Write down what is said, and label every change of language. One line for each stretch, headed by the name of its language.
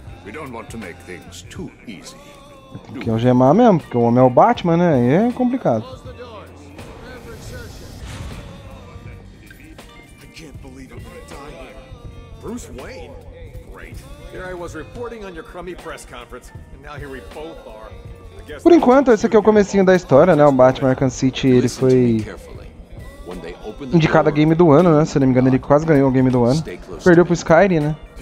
English: We don't want to make things too easy.
Portuguese: Tem que algemar mesmo, porque o homem é o Batman, né? E é complicado.
English: I can't believe I'm gonna die here. Bruce Wayne? Great. Here I was reporting on your crummy press conference, and now here we both are.
Portuguese: Por enquanto, esse aqui é o comecinho da história, né? O Batman Arkham City, ele foi indicado a game do ano, né? Se não me engano, ele quase ganhou o game do ano. Perdeu pro Skyrim, né?